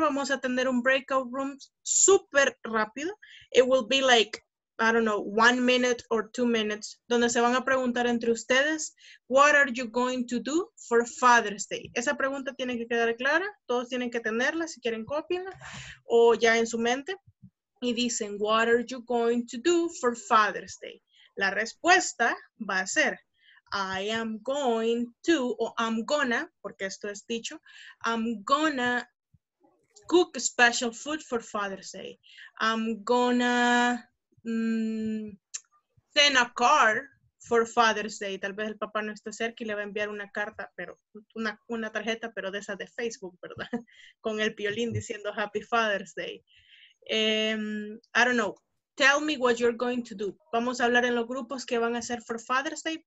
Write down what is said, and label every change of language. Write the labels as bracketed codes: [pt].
[es] Vamos a tener un breakout room súper rápido. [en] It will be like, I don't know, 1 minute or 2 minutes, [es] donde se van a preguntar entre ustedes, [en] what are you going to do for Father's Day? [es] Esa pregunta tiene que quedar clara. Todos tienen que tenerla, si quieren copiarla o ya en su mente. Y dicen, [en] what are you going to do for Father's Day? [es] La respuesta va a ser, [en] I am going to, o I'm gonna, [es] porque esto es dicho, [en] I'm gonna cook special food for Father's Day. I'm gonna send a card for Father's Day. [es] Tal vez el papá no esté cerca y le va a enviar una carta, pero una tarjeta, pero de esas de Facebook, ¿verdad? Con el piolín diciendo [en] Happy Father's Day. I don't know. Tell me what you're going to do. [es] Vamos a hablar en los grupos que van a hacer [en] for Father's Day.